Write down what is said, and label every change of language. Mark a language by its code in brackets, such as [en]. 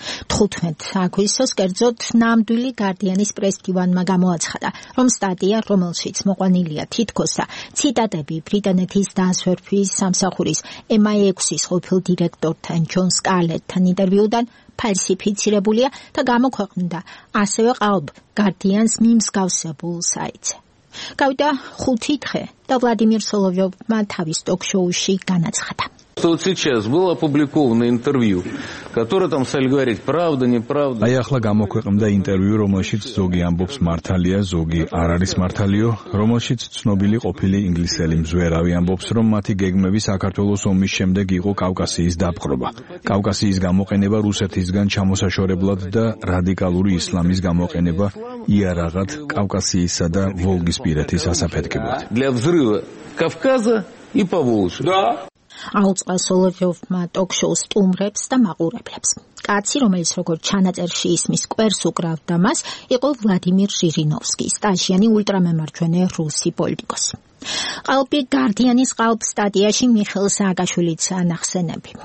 [ka] 15 აგვისტოს, კერძოდ, ნამდვილი გარდიანის პრესდივანმა გამოაცხადა, რომ სტატია, რომელშიც მოყვანილია თითქოსა ციტატები ბრიტანეთის დასვერფის სამსახურის MI6-ის ყოფილ დირექტორთან ჯონ სკალეტთან ინტერვიუდან, ფალსიფიცირებულია და გამოქვეყნდა ასევე ყალბ გარდიანს მიმსგავსებულ საიტზე. გავიდა 5 დღე და ვლადიმირ სოლოვიოვმა თავის ток-შოუში განაცხადა. [ru] Вот сейчас было опубликовано интервью, которое там Саль говорит правда, неправда. [ka] А я хла გამოქვეყნდა ინტერვიუ, რომელშიც ზოგი ამბობს მართალია, ზოგი არ არის მართალიო, რომელშიც ცნობილი ყოფილი ინგლისელი მზვერავი ამბობს, რომ მათი გეგმები საქართველოს ომის შემდეგ იყო კავკასიის დაპყრობა. კავკასიის გამოყენება რუსეთისგან ჩამოსაშორებლად და რადიკალური ისლამის გამოყენება იარაღად კავკასიისა და ვოლგისპირეთის ასაფეთქებლად. [ru] Для взрыва Кавказа и Поволжья. Да. [ka] აუწყა სოლოვიოვმა ток-შოუ სტუმრებს და მაყურებლებს. კაცი, რომელიც როგორც ჩანაწერში ისმის კვერს უკრავდა მას, იყო ვლადიმირ ჟირინოვსკი, სტაჟიანი ультрамემარჯვენე რუსი პოლიტიკოსი. ყალბი გარდიანის ყალბ სტატიაში მიხელ სააკაშვილის ანახსენები.